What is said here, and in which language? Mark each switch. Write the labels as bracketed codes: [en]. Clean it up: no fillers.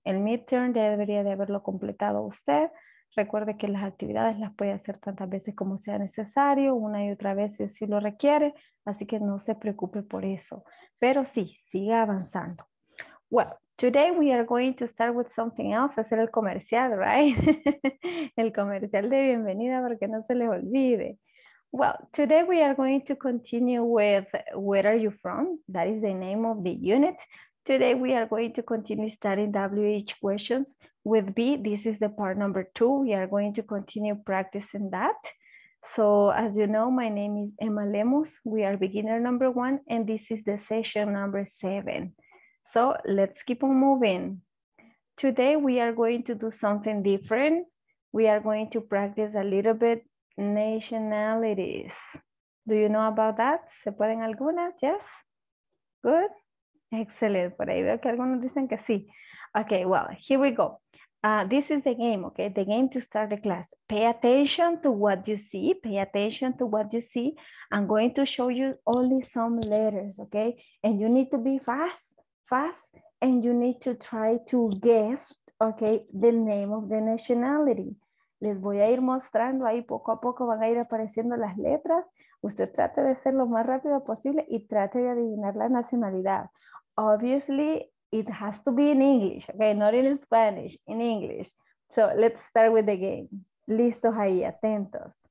[es] El midterm ya debería de haberlo completado usted. Recuerde que las actividades las puede hacer tantas veces como sea necesario, una y otra vez si así lo requiere, así que no se preocupe por eso. Pero sí, siga avanzando. [en] Well, today we are going to start with something else, [es] hacer el comercial, [en] right? [es] El comercial de bienvenida porque no se les olvide. [en] Well, today we are going to continue with Where Are You From? That is the name of the unit. Today we are going to continue studying WH questions with B. This is the part number two. We are going to continue practicing that. So as you know, my name is Emma Lemus. We are beginner number one and this is the session number seven. So let's keep on moving. Today we are going to do something different. We are going to practice a little bit nationalities. Do you know about that? [es] ¿Se pueden algunas? [en] Yes? Good? Excellent. [es] Por ahí veo que algunos dicen que sí. [en] Okay, well, here we go. This is the game, okay? The game to start the class. Pay attention to what you see. Pay attention to what you see. I'm going to show you only some letters, okay? And you need to be fast, and you need to try to guess, okay, the name of the nationality. [es] Les voy a ir mostrando ahí poco a poco, van a ir apareciendo las letras. Usted trate de ser lo más rápido posible y trate de adivinar la nacionalidad. [en] Obviously, it has to be in English, okay, not in Spanish, in English. So let's start with the game. [es] Listos ahí, atentos.